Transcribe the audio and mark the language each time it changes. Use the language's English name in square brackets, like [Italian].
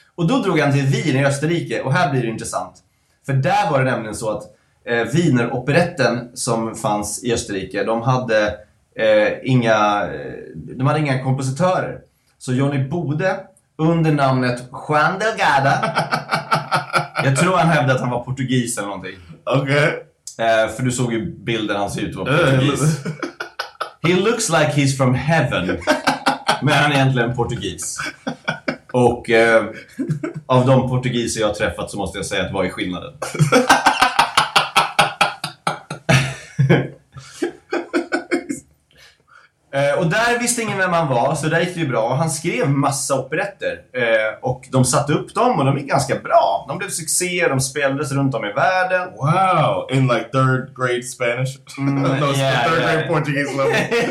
[Swedish] Och då drog han till Wien i Österrike. Och här blir det intressant. För där var det nämligen så att Wiener-operetten som fanns i Österrike, de hade inga kompositörer. Så Johhny Bode, under namnet Juan Delgada... Jag tror han hävdade att han var portugis eller någonting. Okej. Okay. För du såg ju bilden han ser ut vara portugis. [English] He looks like he's from heaven. [Swedish] Men han är egentligen portugis. Och av de portugiser jag har träffat så måste jag säga att vad är skillnaden? Och där visste ingen vem han var, så där gick det ju bra. Och han skrev massa operetter. Och de satte upp dem och de gick ganska bra. De blev succé, de spelades runt om i världen. [English] Wow, in like third grade Spanish. third grade Portuguese level.